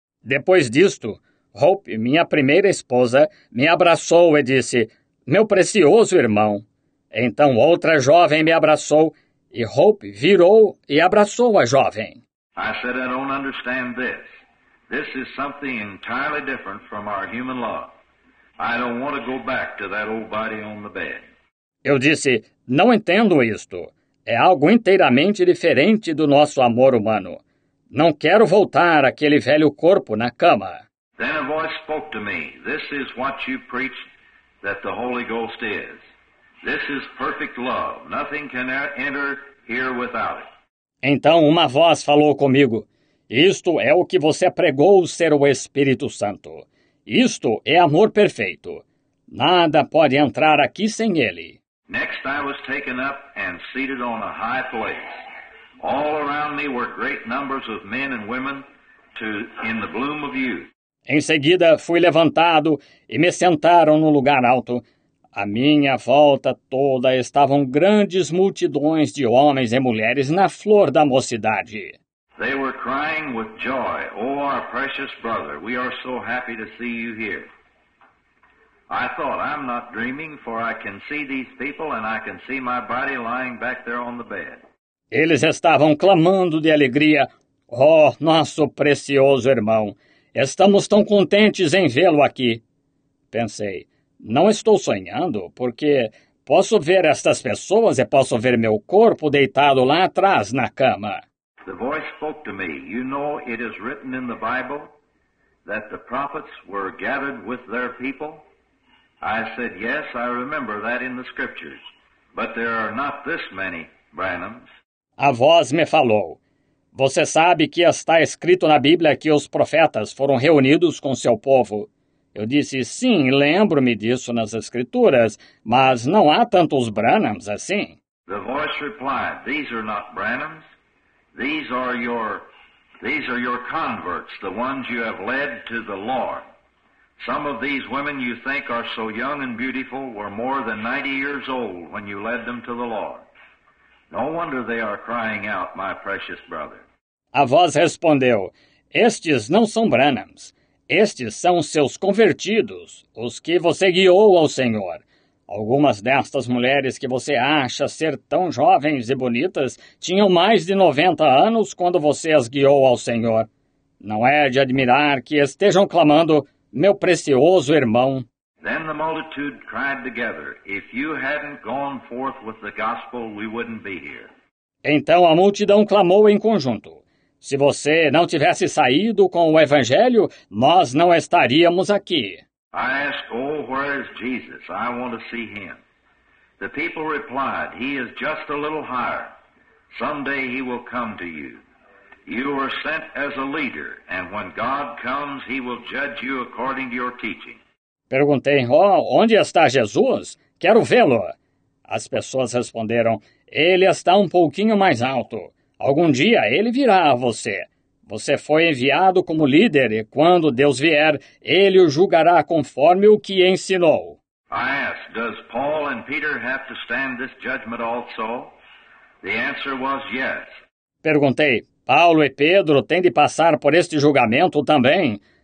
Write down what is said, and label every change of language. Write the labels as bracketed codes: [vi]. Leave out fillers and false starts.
[pt] Depois disto, Hope, minha primeira esposa, me abraçou e disse, meu precioso irmão. Então outra jovem me abraçou e Hope virou e abraçou a jovem. [en] I said, I don't understand this. This is something entirely different from our human love. I don't want to go back to that old body on the bed. [pt] Eu disse, não entendo isto. É algo inteiramente diferente do nosso amor humano. Não quero voltar àquele velho corpo na cama. [en] Then a voice spoke to me. This is what you preached that the Holy Ghost is. This is perfect love. Nothing can enter here without it. [pt] Então uma voz falou comigo, isto é o que você pregou ser o Espírito Santo. Isto é amor perfeito. Nada pode entrar aqui sem ele. [en] Next I was taken up and seated on a high place. All around me were great numbers of men and women in the bloom of youth. [pt] Em seguida fui levantado e me sentaram no lugar alto. À minha volta toda estavam grandes multidões de homens e mulheres na flor da mocidade. [en] They were crying with joy, "Oh, our precious brother, we are so happy to see you here." I thought, I'm not dreaming, for I can see these people and I can see my body lying back there on the bed. [pt] Eles estavam clamando de alegria, "Oh, nosso precioso irmão, estamos tão contentes em vê-lo aqui." Pensei, não estou sonhando, porque posso ver estas pessoas e posso ver meu corpo deitado lá atrás na cama. [en] The voice spoke to me. You know, it is written in the Bible that the prophets were gathered with their people. I said, yes, I remember that in the scriptures, but there are not this many Branhams. [pt] A voz me falou, você sabe que está escrito na Bíblia que os profetas foram reunidos com seu povo. Eu disse, sim, lembro-me disso nas escrituras, mas não há tantos Branhams assim. [en] The voice replied, these are not Branhams, these are your converts, the ones you have led to the Lord. Some of these women you think are so young and beautiful were more than 90 years old when you led them to the Lord. No wonder they are crying out, my precious brother. [pt] A voz respondeu, estes não são Branhams. Estes são seus convertidos, os que você guiou ao Senhor. Algumas destas mulheres que você acha ser tão jovens e bonitas tinham mais de 90 anos quando você as guiou ao Senhor. Não é de admirar que estejam clamando, meu precioso irmão. [en] Then the multitude cried together, if you hadn't gone forth with the gospel, we wouldn't be here. [pt] Então a multidão clamou em conjunto, se você não tivesse saído com o evangelho, nós não estaríamos aqui. [en] I asked, oh, where is Jesus? I want to see him. The people replied, he is just a little higher. Someday he will come to you. You are sent as a leader, and when God comes, he will judge you according to your teaching. [pt] Perguntei, oh, onde está Jesus? Quero vê-lo. As pessoas responderam, ele está um pouquinho mais alto. Algum dia ele virá a você. Você foi enviado como líder, e quando Deus vier, ele o julgará conforme o que ensinou. [en] I asked, does Paul and Peter have to stand this judgment also? The answer was yes. [pt] Perguntei, Paulo e Pedro têm de passar por este julgamento também?